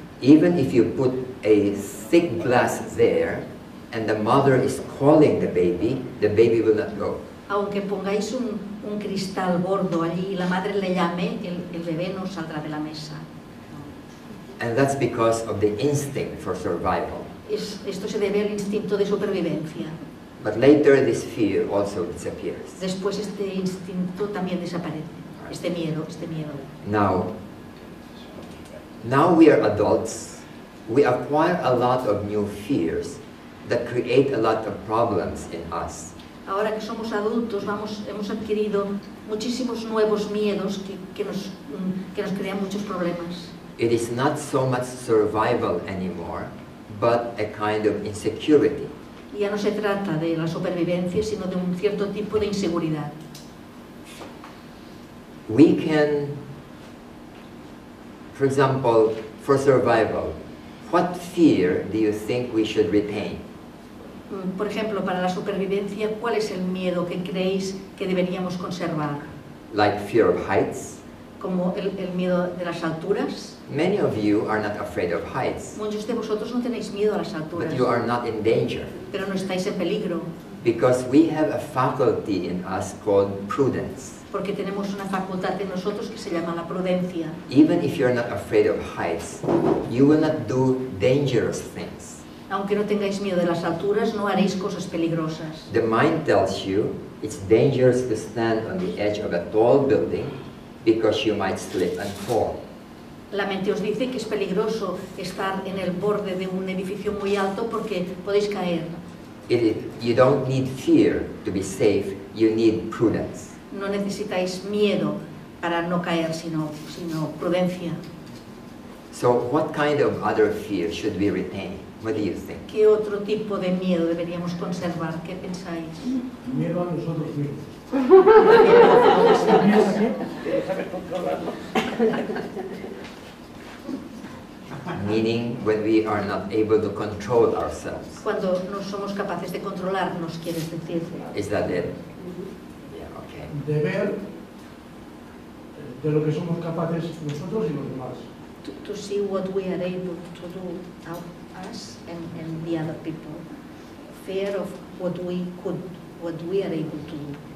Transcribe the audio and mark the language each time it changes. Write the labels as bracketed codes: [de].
[en] Even if you put a thick glass there, and the mother is calling the baby will not go. [es] Aunque pongáis un cristal gordo allí y la madre le llame, el bebé no saldrá de la mesa. [en] And that's because of the instinct for survival. [es] Esto se debe al instinto de supervivencia. [en] But later this fear also disappears. [es] Después este instinto también desaparece. Este miedo. [en] Now we are adults. We acquire a lot of new fears that create a lot of problems in us. [es] Ahora que somos adultos, hemos adquirido muchísimos nuevos miedos que nos crean muchos problemas. [en] It is not so much survival anymore, but a kind of insecurity. [es] Ya no se trata de la supervivencia, sino de un cierto tipo de inseguridad. [en] We can, for example, for survival, what fear do you think we should retain? [es] Por ejemplo, para la supervivencia, ¿cuál es el miedo que creéis que deberíamos conservar? [en] Like fear of heights. [es] Como el miedo de las alturas. [en] Many of you are not afraid of heights. [es] Muchos de vosotros no tenéis miedo a las alturas. [en] But you are not in danger. [es] Pero no estáis en peligro. [en] Because we have a faculty in us called prudence. [es] Porque tenemos una facultad en nosotros que se llama la prudencia. [en] Even if you are not afraid of heights, you will not do dangerous things. [es] Aunque no tengáis miedo de las alturas, no haréis cosas peligrosas. [en] The mind tells you it's dangerous to stand on the edge of a tall building because you might slip and fall. [es] La mente os dice que es peligroso estar en el borde de un edificio muy alto porque podéis caer. [en] You don't need fear to be safe, you need prudence. [es] No necesitáis miedo para no caer, sino prudencia. [en] So what kind of other fear should we retain? What do you think? [es] ¿Qué otro tipo de miedo deberíamos conservar? ¿Qué pensáis? Miedo a nosotros mismos. [en] Meaning when we are not able to control ourselves. [es] Cuando no somos capaces de controlarnos, ¿quieres decir? [en] Is that it? Mm-hmm. Yeah, okay. [es] De ver de lo que somos capaces nosotros y los demás. [en] To see what we are able to do out. Us and the other people, fear of what we are able to do.